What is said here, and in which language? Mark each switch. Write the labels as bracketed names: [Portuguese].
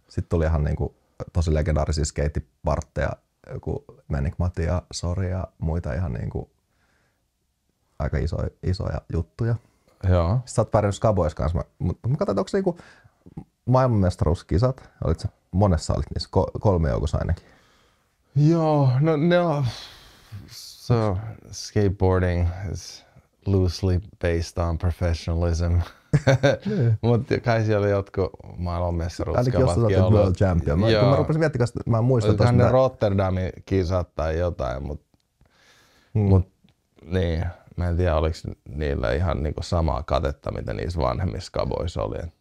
[Finnish] Sitten tuli ihan niinku tosi legendaarisia skeittipartteja, joku Manic Matia, Sori ja muita ihan niinku aika isoja juttuja. Joo. Sitten sä oot pärjännyt skaboissa kanssa, mutta mä katsoin, onko niinku maailmanmestaruuskisat, monessa olit niissä, kolme joukossa ainakin. Joo, no ne on, [English] so skateboarding is loosely based on professionalism. [Finnish] Mutta kai siellä jotkut maailmanmestaruuskisatkin ollut. Ainakin jos sä world champion. Mä rupesin miettimään, että mä muistan tosiaan. Olikohan ne Rotterdamin kisat tai jotain, mut niin. Mä en tiedä, oliko niillä ihan niinku samaa katetta, mitä niissä vanhemmissa kaboissa oli.